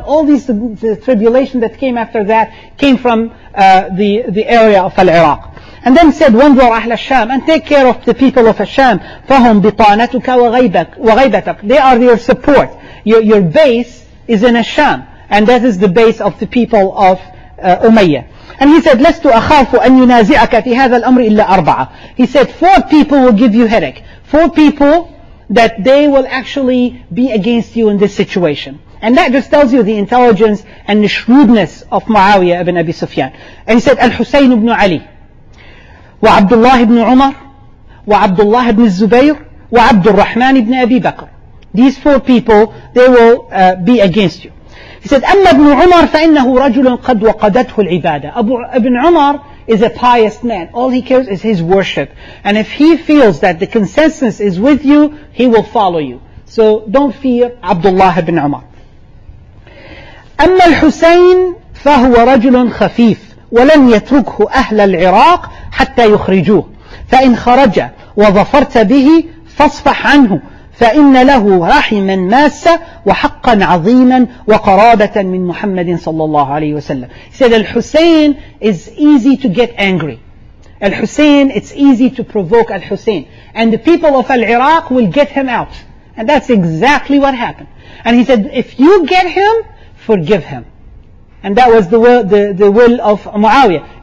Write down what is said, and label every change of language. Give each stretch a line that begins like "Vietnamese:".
English: All these the tribulation that came after that came from the area of Iraq. And then said,
Arabic: وَانْظُرْ أَهْلَ الشَّامِ.
English: And take care of the people of Hashem.
Arabic: فَهُمْ بِطَانَتُكَ وَغَيْبَتَكَ.
English: They are your support. Your base is in Hashem. And that is the base of the people of Umayyah. And he said,
Arabic: لَسْتُ أَخَافُ أَنْ يُنَازِعَكَ فِي هَذَا الْأَمْرِ إِلَّا أَرْبَعَ.
English: He said, four people will give you headache. Four people that they will actually be against you in this situation. And that just tells you the intelligence and the shrewdness of Muawiyah ibn Abi Sufyan. And he said, الحسين ibn Ali.
Arabic: وعبد الله بن عمر وعبد الله بن الزبير وعبد الرحمن بن أبي بكر.
English: These four people, they will be against you. He said,
Arabic: أما ابن عمر فإنه رجل قد وقدته العبادة.
English: Ibn Umar is a pious man. All he cares is his worship. And if he feels that the consensus is with you, he will follow you. So don't fear
Arabic: عبد الله بن عمر. أما الحسين فهو رجل خفيف ولن يتركه أهل العراق حتى يخرجوه فإن خرج وظفرت به فاصفح عنه فإن له رحما ماسا وحقا عظيما وقرابة من محمد صلى الله عليه وسلم.
English: He said, Al-Hussein is easy to get angry. Al-Hussein, it's easy to provoke Al-Hussein. And the people of Al-Iraq will get him out. And that's exactly what happened. And he said, if you get him, forgive him. And that was the will of Muawiyah.